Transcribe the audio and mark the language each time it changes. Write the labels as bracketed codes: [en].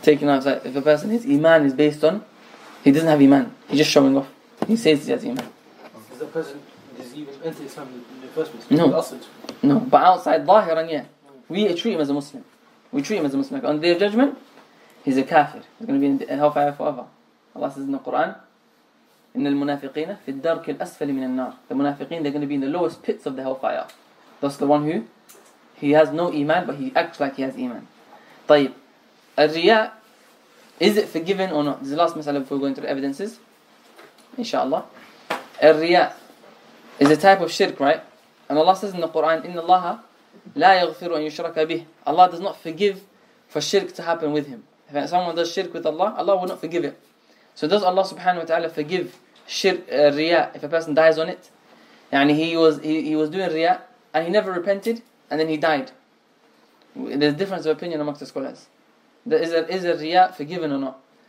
[en] Taking outside. If a person is iman is based on, he doesn't have iman. He's just showing off. He says he has iman. Is the person even enter Islam in the first place? No. But outside, zahiran, yeah. We treat him as a Muslim. We treat him as a Muslim. Like, on the day of judgment, he's a kafir. He's going to be in hellfire forever. Allah says in the Quran, [ar] إن المنافقين في الدرك الأسفل من النار. [en] The munafiqeen, they're going to be in the lowest pits of the hellfire. That's the one who, he has no iman, but he acts like he has iman. طيب, الرياء, is it forgiven or not? This is the last مسألة before we go into the evidences. Inshallah. الرياء is a type of shirk, right? And Allah says in the Quran, [ar] إن الله لا يغفر أن يشرك به. [en] Allah does not forgive for shirk to happen with him. If someone does shirk with Allah, Allah will not forgive it. So does Allah subhanahu wa ta'ala forgive shirk, riya, if a person dies on it? Yani he was doing riya and he never repented and then he died. There's a difference of opinion amongst the scholars. Is a riya forgiven or not?